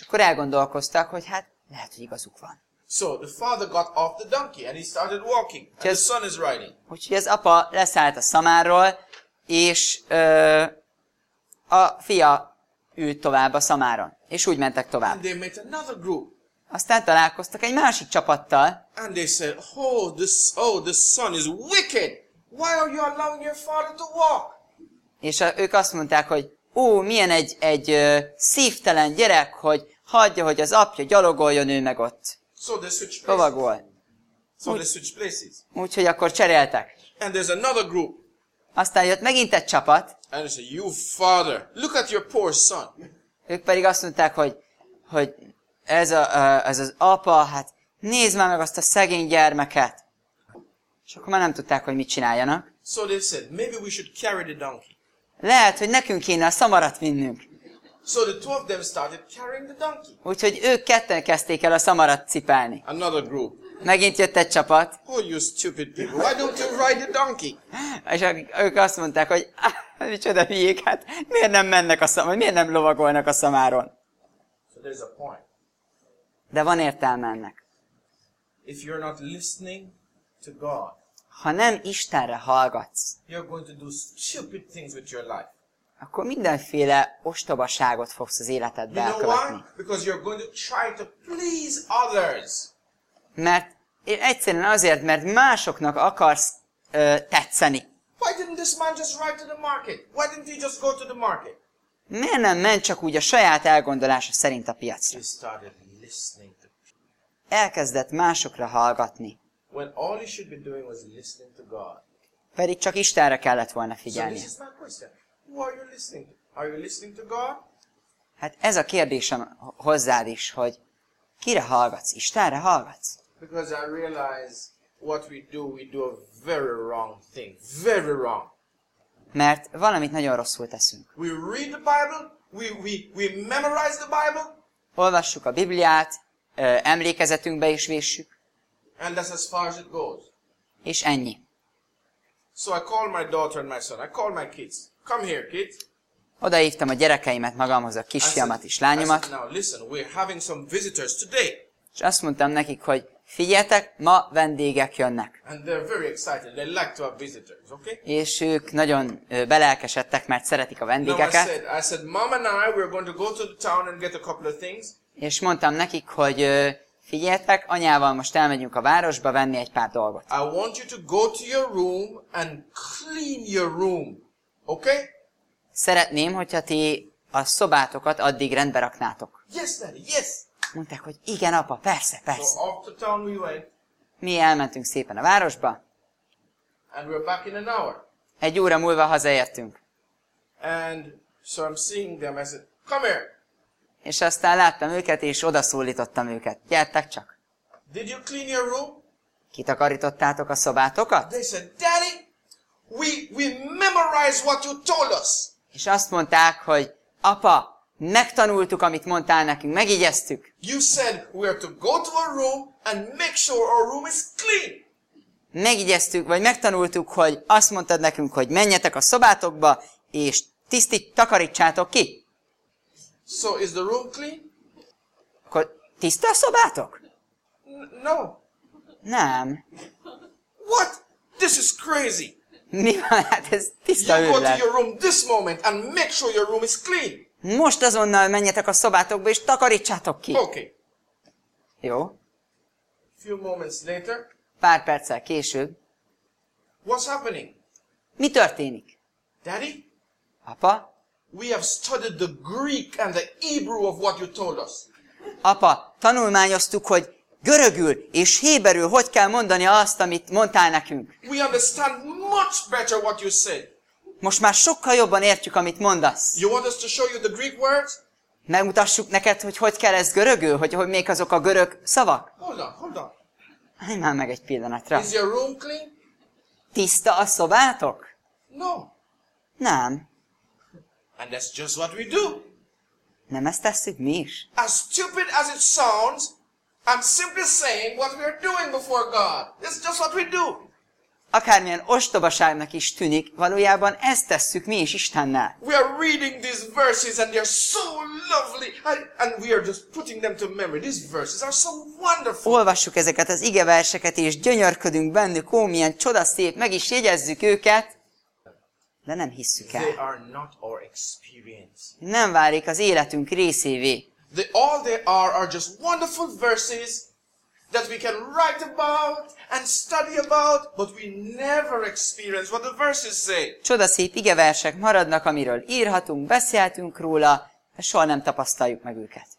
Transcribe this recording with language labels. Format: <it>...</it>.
<hu>akkor elgondolkoztak, hogy hát lehet, hogy igazuk van.</hu> <en>So the father got off the donkey and he started walking. And the son is riding.</en> <hu>Úgyhogy az apa leszállt a szamáról, és a fia ült tovább a szamáron. És úgy mentek tovább.</hu> <en>And they met another group.</en> <hu>Aztán találkoztak egy másik csapattal.</hu> <en>And they said, the son is wicked. Why are you allowing your father to walk?</en> <hu>És ők azt mondták, hogy milyen egy szívtelen gyerek, hogy hagyja, hogy az apja gyalogoljon ő meg ott.</hu> <en>So they switched places.</en> <hu>Lovagol.</hu> <en>So they switched places.</en> <hu>Úgyhogy akkor cseréltek.</hu> <en>And there's another group.</en> <hu>Aztán jött megint egy csapat.</hu> <en>And they said, you father, look at your poor son.</en> <hu>Ők pedig azt mondták, hogy ez az apa, hát nézd már meg azt a szegény gyermeket. És akkor már nem tudták, hogy mit csináljanak.</hu> <en>So they said, maybe we should carry the donkey.</en> <hu>Lehet, hogy nekünk kéne a szamarat vinnünk.</hu> <en>So the two of them started carrying the donkey.</en> <hu>Úgyhogy ők ketten kezdték el a szamarat cipelni.</hu> <en>Another group.</en> <hu>Megint jött egy csapat.</hu> <en>Oh, you stupid people. Why don't you ride the donkey?</en> <hu>És ők azt mondták, hogy micsoda hülyék, hát miért nem mennek a szamáron, miért nem lovagolnak a szamáron?</hu> <en>So there's a point.</en> <hu>De van értelme ennek.</hu> <en>If you're not listening to God,</en> <hu>ha nem Istenre hallgatsz,</hu> <en>you're going to do stupid things with your life.</en> <hu>Akkor mindenféle ostobaságot fogsz az életedbe elkövetni.</hu> <en>Because you're going to try to please others.</en> <hu>Mert egyszerűen azért, mert másoknak akarsz tetszeni.</hu> <en>Why didn't this man just ride to the market? Why didn't he just go to the market?</en> <hu>Miért nem ment csak úgy a saját elgondolása szerint a piacra?</hu> <en>He started listening to</en> <hu>Elkezdett másokra hallgatni.</hu> <en>When all he should be doing was listening to God.</en> <hu>Pedig csak Istenre kellett volna figyelni.</hu> <en>So this is my question. Who are you listening to? Are you listening to God?</en> <hu>Hát ez a kérdésem hozzád is, hogy kire hallgatsz? Istenre hallgatsz?</hu> <en>Because I realize what we do a very wrong thing. Very wrong.</en> <hu>Mert valamit nagyon rosszul teszünk.</hu> <en>We read the Bible, we memorize the Bible.</en> <hu>Olvassuk a Bibliát, emlékezetünkbe is véssük.</hu> <en>And that's as far as it goes.</en> <hu>És ennyi.</hu> <en>So I call my daughter and my son, I call my kids. Come here, kid.</en> <hu>Odahívtam a gyerekeimet magamhoz, a kisfiamat és lányomat.</hu> <en>Now listen, we're having some visitors today.</en> <hu>És azt mondtam nekik, hogy Figyeljetek, ma vendégek jönnek.</hu> <en>And they're very excited. They like to have visitors, okay?</en> <hu>És ők nagyon belelkesedtek, mert szeretik a vendégeket.</hu> <en>No, I said, Mom and I, we're going to go to the town and get a couple of things.</en> <hu>És mondtam nekik, hogy figyeljetek, anyával most elmegyünk a városba venni egy pár dolgot.</hu> <en>I want you to go to your room and clean your room, okay?</en> <hu>Szeretném, hogyha ti a szobátokat addig rendbe raknátok.</hu> <en>Yes, Daddy, yes!</en> <hu>Mondták, hogy igen, apa, persze, persze.</hu> <en>So off to town we went.</en> <hu>Mi elmentünk szépen a városba.</hu> <en>And we're back in an hour.</en> <hu>Egy óra múlva hazaértünk.</hu> <en>And so I'm seeing them, I said, come here!</en> <hu>És aztán láttam őket, és odaszólítottam őket. Gyertek csak!</hu> <en>Did you clean your room?</en> <hu>Kitakarítottátok a szobátokat?</hu> <en>They said, Daddy, we memorized what you told us!</en> <hu>És azt mondták, hogy apa, megtanultuk, amit mondtál nekünk, megígyeztük.</hu> <en>You said we are to go to our room and make sure our room is clean.</en> <hu>Megígyeztük, vagy megtanultuk, hogy azt mondtad nekünk, hogy menjetek a szobátokba, és tisztít, takarítsátok ki.</hu> <en>So is the room clean?</en> <hu>Akkor tiszta a szobátok?</hu> <en>No.</en> <hu>Nem.</hu> <en>What? This is crazy.</en> <hu>Mi van? Hát ez tiszta őrület.</hu> <en>You go to your room this moment and make sure your room is clean.</en> <hu>Most azonnal menjetek a szobátokba, és takarítsátok ki!</hu> <en>Okay.</en> <hu>Jó.</hu> <en>Few moments later.</en> <hu>Pár perccel később.</hu> <en>What's happening?</en> <hu>Mi történik?</hu> <en>Daddy?</en> <hu>Apa?</hu> <en>We have studied the Greek and the Hebrew of what you told us.</en> <hu>Apa, tanulmányoztuk, hogy görögül és héberül hogy kell mondani azt, amit mondtál nekünk.</hu> <en>We understand much better what you said.</en> <hu>Most már sokkal jobban értjük, amit mondasz.</hu> <en>You want us to show you the Greek words?</en> <hu>Megmutassuk neked, hogy hogy kell ez görögül, hogy még azok a görög szavak.</hu> <en>Hold on.</en> <hu>Állj már meg egy pillanatra.</hu> <en>Is your room clean?</en> <hu>Tiszta a szobátok?</hu> <en>No.</en> <hu>Nem.</hu> <en>And that's just what we do.</en> <hu>Nem ezt tesszük mi is?</hu> <en>As stupid as it sounds, I'm simply saying what we're doing before God. It's just what we do.</en> <hu>Akármilyen ostobaságnak is tűnik, valójában ezt tesszük mi is Istennel.</hu> <en>We are reading these verses and they are so lovely and we are just putting them to memory. These verses are so wonderful.</en> <hu>Olvassuk ezeket az igeverseket és gyönyörködünk bennük, ó, milyen csodaszép, meg is jegyezzük őket, de nem hisszük el.</hu> <en>They are not our experience.</en> <hu>Nem válik az életünk részévé.</hu> <en>All they are just wonderful verses that we can write about and study about, but we never experience what the verses say.</en> <hu>Csodaszép igeversek maradnak, amiről írhatunk, beszéltünk róla, de soha nem tapasztaljuk meg őket.</hu>